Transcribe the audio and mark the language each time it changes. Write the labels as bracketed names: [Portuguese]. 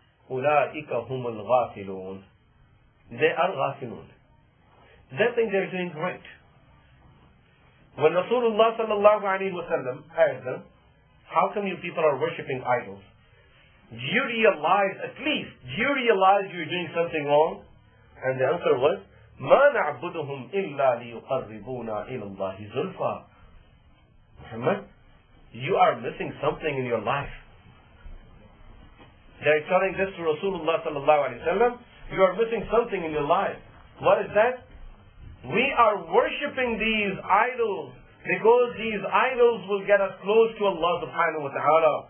[Arabic] أُولَٰئِكَ هُمُ الْغَافِلُونَ. [English] They are ghafilun. They think they're doing great. When Rasulullah sallallahu alayhi wa sallam asked them, how come you people are worshipping idols? Do you realize, at least, do you realize you're doing something wrong? And the answer was, [Arabic] مَا نَعْبُدُهُمْ إِلَّا لِيُقَرِّبُونَا إِلَى اللَّهِ زُلْفَى. [English] Muhammad, you are missing something in your life. They're telling this to Rasulullah sallallahu alayhi wa sallam, you are missing something in your life. What is that? We are worshipping these idols because these idols will get us close to Allah subhanahu wa ta'ala.